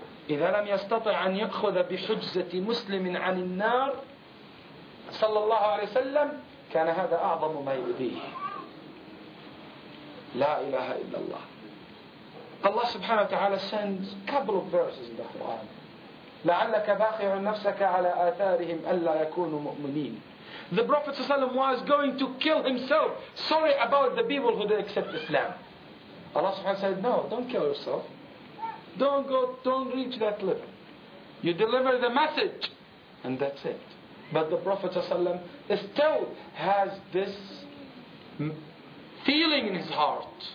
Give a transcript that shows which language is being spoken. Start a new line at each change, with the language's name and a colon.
Arabic: إذا لم يستطع أن يأخذ بحجزة مسلم عن النار صلى الله عليه وسلم كان هذا أعظم ما يؤذيه. لا إله إلا الله. الله سبحانه وتعالى
English: sends couple of verses in the Quran.
Arabic: لعلك باخع نفسك على آثارهم ألا يكونوا مؤمنين.
English: The Prophet
Arabic: صلى الله عليه وسلم
English: was going to kill himself. Sorry about the people who didn't accept Islam. Allah subhanahu said, no, don't kill yourself. Don't go, don't reach that level. You deliver the message, and that's it. But the Prophet ﷺ still has this feeling in his heart.